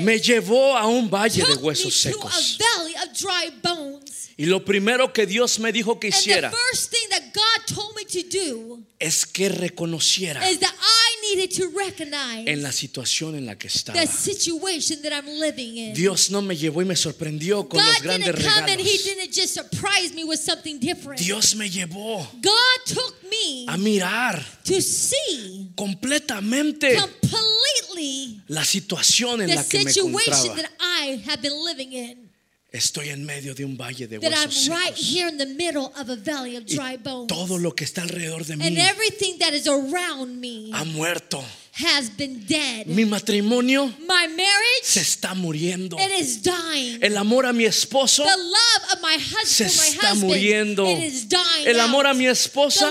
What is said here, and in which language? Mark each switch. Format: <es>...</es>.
<es>me llevó a un valle de huesos secos</es> <en>took me to a valley of dry bones.</en> <es>Y lo primero que Dios me dijo que hiciera</es> <en>and the first thing that God told me to do</en> <es>es que reconociera</es> <en>is that I needed to recognize</en> <es>en la situación en la que estaba</es> <en>the situation that I'm living in.</en> <es>Dios no me llevó y me sorprendió con</es> <en>God</en> <es>los grandes</es> <en>didn't come</en> <es>regalos</es> <en>and he didn't just surprise me with something different.</en> <es>Dios me llevó</es> <en>God took me</en> <es>a mirar</es> <en>to see</en> <es>completamente</es> <en>completely</en> <es>la situación en</es> <en>the</en> <es>la que me encontraba</es> <en>that I have been living in.</en> <es>Estoy en medio de un valle de</es> <en>that</en> <es>huesos</es> <en>I'm right</en> <es>secos.</es> <en>Here in the middle of a valley of dry bones.</en> <es>Y todo lo que está alrededor de mí</es> <en>and everything that is around me</en> <es>ha muerto.</es> <en>Has been dead.</en> <es>Mi matrimonio</es> <en>my marriage</en> <es>se está muriendo.</es> <en>It is dying.</en> <es>El amor a mi esposo</es> <en>the love of my husband,</en> <es>se está</es> <en>my husband,</en> <es>muriendo.</es> <en>It is dying</en> <es>el amor</es> <en>out.</en> <es>A mi esposa</es>